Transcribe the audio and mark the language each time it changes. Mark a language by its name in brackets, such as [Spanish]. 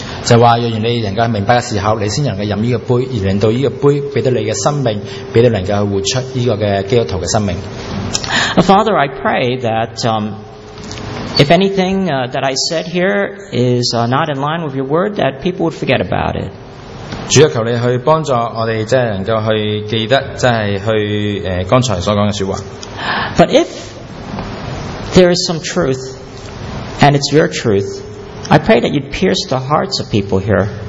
[Chinese] 就是说若然你能够明白的时候，你才能够饮这个杯，而令到这个杯给到你的生命，给到你能够活出这个基督徒的生命。 [English] Father, I pray that if anything that I said here is not in line with your word, that people would forget about it. [Chinese] 主要求你去帮助我们，即是能够去记得，即是去刚才所讲的说话。 [English] But if there is some truth, and it's your truth, I pray that you'd pierce the hearts of people here.